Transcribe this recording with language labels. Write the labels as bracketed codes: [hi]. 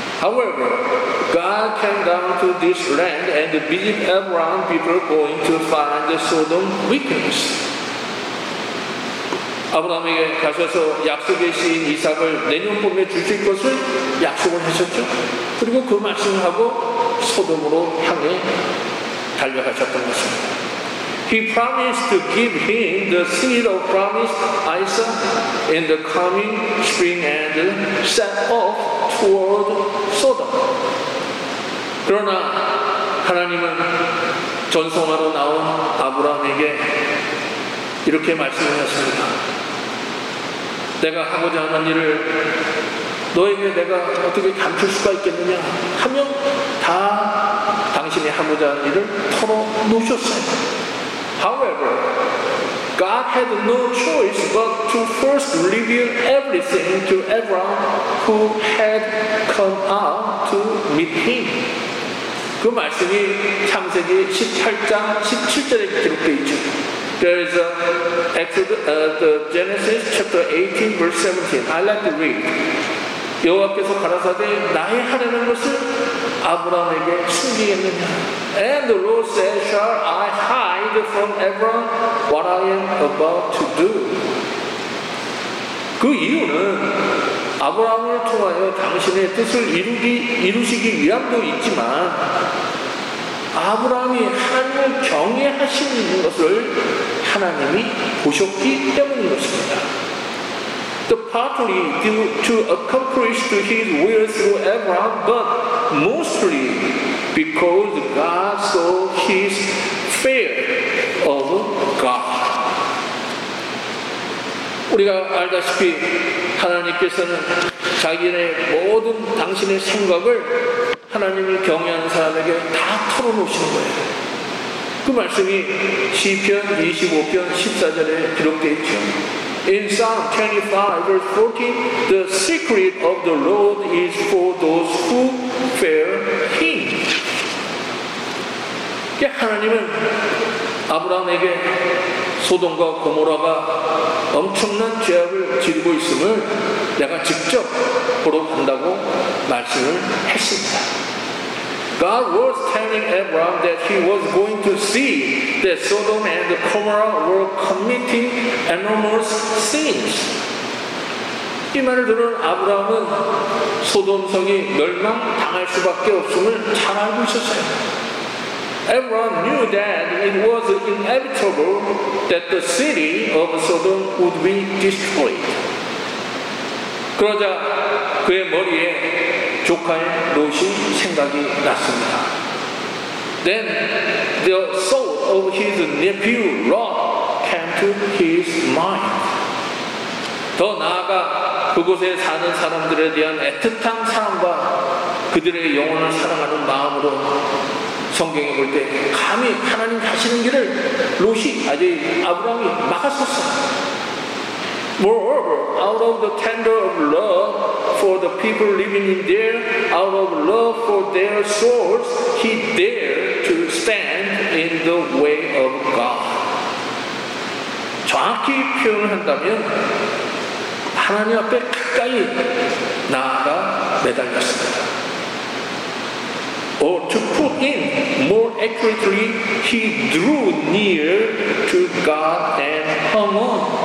[en] However, God came down to this land and visited Abraham before going to find the Sodom weakness. [ko] 아브라함에게 가셔서 약속의 시인 이삭을 내년 봄에 주실 것을 약속을 하셨죠. 그리고 그 말씀을 하고 소돔으로 향해 달려가셨던 것입니다. [en] He promised to give him the seed of promise, Isaac, in the coming spring and set off toward Sodom. [ko] 그러나 하나님은 전송하러 나온 아브라함에게 이렇게 말씀하셨습니다. 내가 하고자 하는 일을 너에게 내가 어떻게 감출 수가 있겠느냐 하며 다 당신이 하고자 하는 일을 털어놓으셨어요. [en] However, God had no choice but to first reveal everything to Abraham who had come out to meet him. [ko] 그 말씀이 창세기 18장 17절에 기록되어 있죠. [en] There is the Genesis chapter 18 verse 17. I like to read. [ko] 여호와께서 가라사대 나의 하려는 것을 아브라함에게 숨기겠느냐? [en] And the Lord said, Shall I hide from Abraham what I am about to do? [ko] 그 이유는 아브라함을 통하여 당신의 뜻을 이루시기 위함도 있지만 아브라함이 하나님을 경외하시는 것을 하나님이 보셨기 때문인 것입니다. [en] The partly due to accomplish to his will through Abraham, but mostly because God saw his fear of God. [ko] 우리가 알다시피 하나님께서는 자기의 모든 당신의 생각을 하나님을 경외하는 사람에게 다 털어놓으시는 거예요. 그 말씀이 시편 25편 14절에 기록되어 있죠. [en] In Psalm 25 verse 14, the secret of the Lord is for those who fear Him. [ko] 하나님은 아브라함에게 소돔과 고모라가 엄청난 죄악을 지르고 있음을 내가 직접 보러 간다고 말씀을 했습니다. [en] God was telling Abraham that he was going to see that Sodom and Gomorrah were committing enormous sins. [ko] 이 말을 들은 아브라함은 소돔 성이 멸망당할 수밖에 없음을 잘 알고 있었어요. [en] Abraham knew that it was inevitable that the city of Sodom would be destroyed. [ko] 그러자 그의 머리에 조카의 롯이 생각이 났습니다. [en] Then the thought of his nephew Lot came to his mind. [ko] 더 나아가 그곳에 사는 사람들에 대한 애틋한 사랑과 그들의 영혼을 사랑하는 마음으로 성경에 볼 때 감히 하나님 가시는 길을 롯이 아직 아브라함이 막았었어요. [en] Moreover, out of the tender of love for the people living in there, out of love for their souls, he dared to stand in the way of God. [ko] 정확히 표현을 한다면 하나님 앞에 가까이 나아가 매달렸습니다. [en] Or to put in more accurately, he drew near to God and hung on.